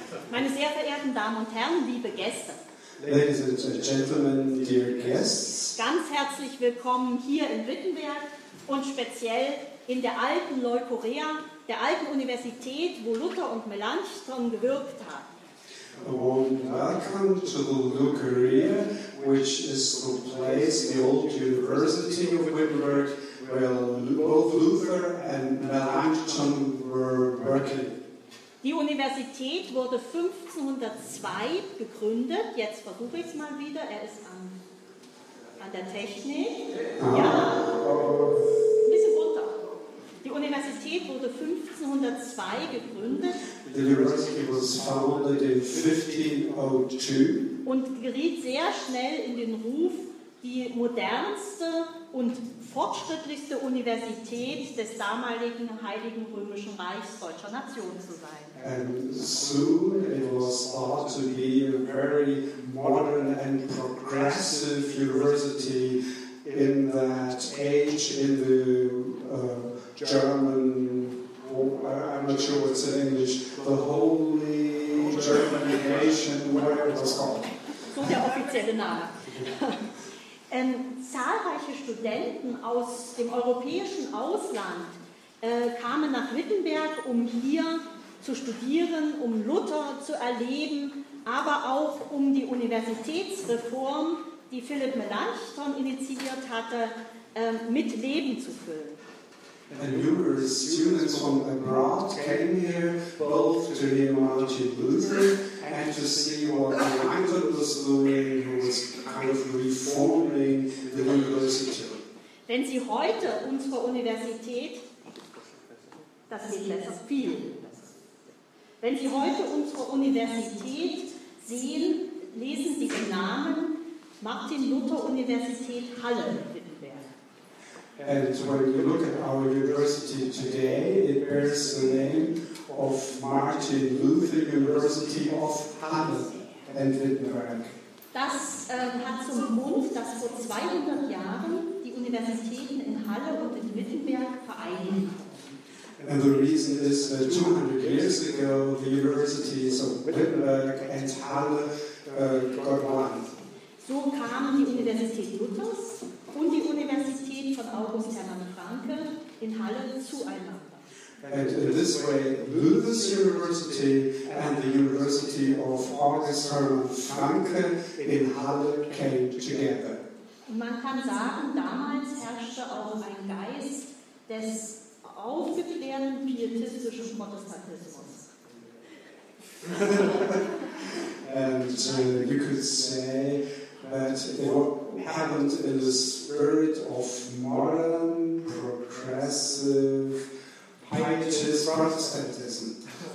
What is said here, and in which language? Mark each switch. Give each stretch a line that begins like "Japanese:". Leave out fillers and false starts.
German: Meine sehr verehrten Damen und Herren, liebe Gäste.
English: Ladies and gentlemen, dear guests.
German: Ganz herzlich willkommen hier in Wittenberg und speziell in der alten Lloyd Korea, der alten Universität, wo Luther und Melanchthon gewirkt haben.
English: A warm welcome to the Lloyd Korea, which is the place, the old University of Wittenberg, where both Luther and Melanchthon were working.
German: Die Universität wurde 1502 gegründet. Jetzt versuche ich es mal wieder. Er ist an der Technik. Ja, ein bisschen runter. Die Universität wurde 1502 gegründet.
English: The university was founded in 1502.
German: Und geriet sehr schnell in den Ruf, die modernste und fortschrittlichste Universität des damaligen Heiligen Römischen Reichs deutscher Nation zu sein.
English: And soon it was thought to be a very modern and progressive university in that age in the German, I'm not sure what's in English, the Holy German Nation, whatever it was called.
German: So der offizielle Name. Zahlreiche Studenten aus dem europäischen Ausland kamen nach Wittenberg, um hier zu studieren, um Luther zu erleben, aber auch um die Universitätsreform, die Philipp Melanchthon initiiert hatte, mit Leben zu füllen.
English: And numerous students from abroad came here both to hear Martin Luther and to see what Michael was doing, who was kind of reforming the university.
German: Wenn Sie heute unsere Universität, das geht besser, viel. Wenn Sie heute unsere Universität sehen, lesen Sie den Namen Martin Luther Universität Halle.
English: And when you look at our university today, it bears the name of Martin Luther University of Halle and Wittenberg.
German: Das hat zum Grund, dass vor 200 Jahren die Universitäten in Halle und in Wittenberg vereinigt.
English: And the reason is that 200 years ago, the universities of Wittenberg and Halle got one.
German: So kam die Universität Luthers und die Universität von August Hermann Franke in Halle zueinander.
English: And in this way, Luther's University and the University of August Hermann Franke in Halle came together.
German: Und man kann sagen, damals herrschte auch ein Geist des aufgeklärten pietistischen Protestantismus.
English: And you could say that it happened in the spirit of modern, progressive, pietist Protestantism.